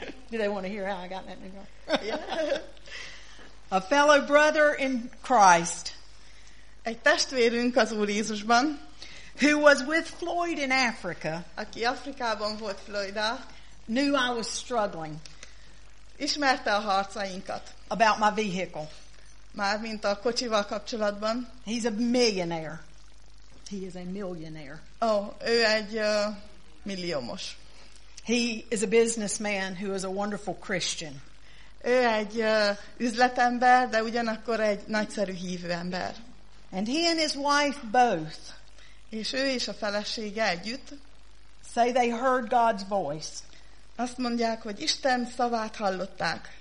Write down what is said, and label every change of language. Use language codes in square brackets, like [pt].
[en] Do they want to hear how I got that new car? Yeah. A fellow brother in Christ, [hu] egy testvérünk az Úr Jézusban, [en] who was with Floyd in Africa, [hu] aki Afrikában volt Floyd, [en] knew I was struggling, [hu] ismerte a harcainkat, [en] about my vehicle, [hu] Már mint a kocsival kapcsolatban. [en] He's a millionaire. He is a millionaire. [hu] Oh, ő egy milliómos. [en] He is a businessman who is a wonderful Christian. [hu] Ő egy üzletember, de ugyanakkor egy nagyszerű hívő ember. [en] And he and his wife both. [hu] És ő és a felesége együtt. [en] Say they heard God's voice. [hu] Azt mondják, hogy Isten szavát hallották.